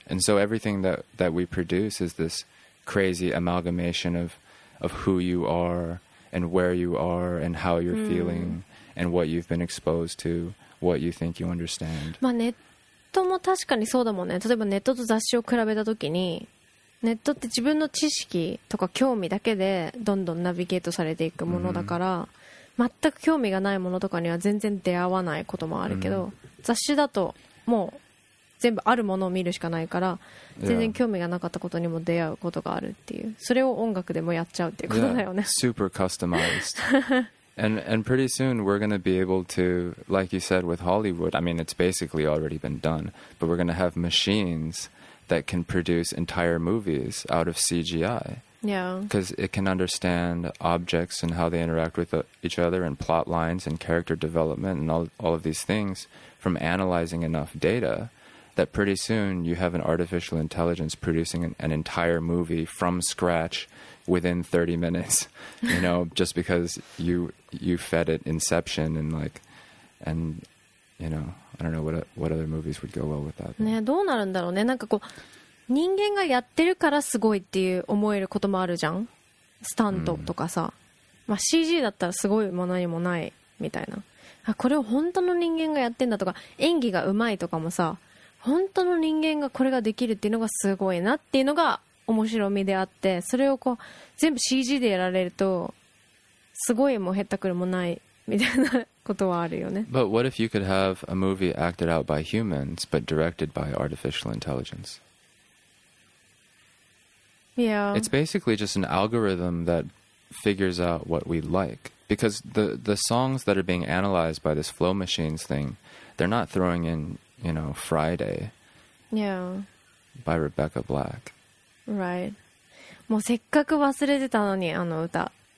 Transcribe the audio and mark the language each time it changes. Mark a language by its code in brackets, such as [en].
[en] And so everything that we produce is this crazy amalgamation of who you are and where you are and how you're feeling and what you've been exposed to, what you think you understand. [ja] まあネットも確かにそうだもんね。例えばネットと雑誌を比べた時に、ネットって自分の知識とか興味だけでどんどんナビゲートされていくものだから、全く興味がないものとかには全然出会わないこともあるけど、雑誌だともう全部あるものを見るしかないから、全然興味がなかったことにも出会うことがあるっていう。それを音楽でもやっちゃうっていうことだよね。 [en] Yeah. Super customized. and pretty soon we're going to be able to, like you said, with Hollywood, I mean, it's basically already been done, but we're going to have machines that can produce entire movies out of CGI. Yeah. Because it can understand objects and how they interact with each other and plot lines and character development and all of these things from analyzing enough data that pretty soon you have an artificial intelligence producing an entire movie from scratch within 30 minutes, you know, just because you fed it Inception and like, and you know, I don't know what other movies would go well with that. [ja] ね、どうなるんだろうね。なんかこう、人間がやってるからすごいっていう思えることもあるじゃん。スタントとかさ、まあ、CG だったらすごいものにもないみたいな。あ、これを本当の人間がやってんだとか、演技がうまいとかもさ、本当の人間がこれができるっていうのがすごいなっていうのが面白みであって、それをこう全部 CG でやられるとすごいもへったくるもない。 [en] But what if you could have a movie acted out by humans but directed by artificial intelligence? Yeah. It's basically just an algorithm that figures out what we like. Because the songs that are being analyzed by this Flow Machines thing, they're not throwing in, you know, Friday. Yeah. By Rebecca Black. Right. [ja] もうせっかく忘れてたのに、あの歌。